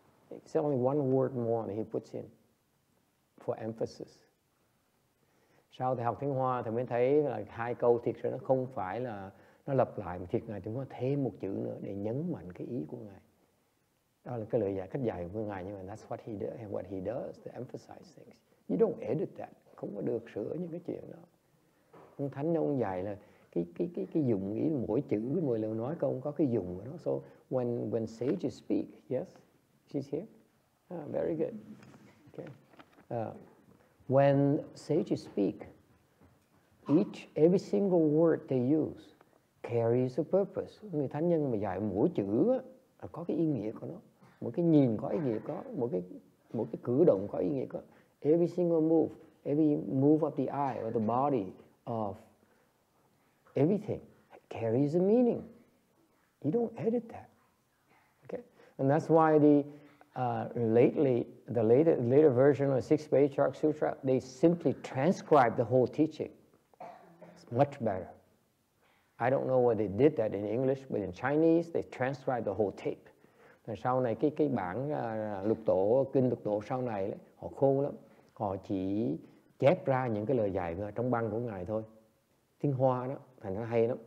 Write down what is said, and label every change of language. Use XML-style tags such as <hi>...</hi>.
<en>It's only one word more that he puts in for emphasis.</en> <vi>Sau thầy học tiếng Hoa thì mới thấy là hai câu thiệt sự nó không phải là nó lặp lại, mà thiệt Ngài Thiện Hóa thêm một chữ nữa để nhấn mạnh cái ý của Ngài. Đó là cái lời giải, cách dạy của Ngài, nhưng mà</vi> <en>that's what he does, to emphasize things. You don't edit that,</en> <vi>không có được sửa những cái chuyện đó. Ông Thánh ông dạy là cái dụng ý, mỗi chữ, mỗi lời nói câu có cái dụng của nó.</vi> <en>So when sages speak, yes, she's here. Ah, very good. Okay. When sages speak, every single word they use carries a purpose.</en> <vi>Người thánh nhân mà dạy mỗi chữ á, có cái ý nghĩa của nó, mỗi cái nhìn có ý nghĩa, có mỗi cái cử động có ý nghĩa, có</vi> <en>every move of the eye or the body of everything carries a meaning. You don't edit that, okay? And that's why the later version of the Six Patriarch Sutra, they simply transcribe the whole teaching. It's much better. I don't know why they did that in English, but in Chinese, they transcribe the whole tape.</en> <vi>And sau này cái bản lục tổ, kinh lục tổ sau này, họ khôn lắm. Họ chỉ chép ra những cái lời dạy trong băng của Ngài thôi. Tiếng Hoa đó, thành nó hay lắm.</vi>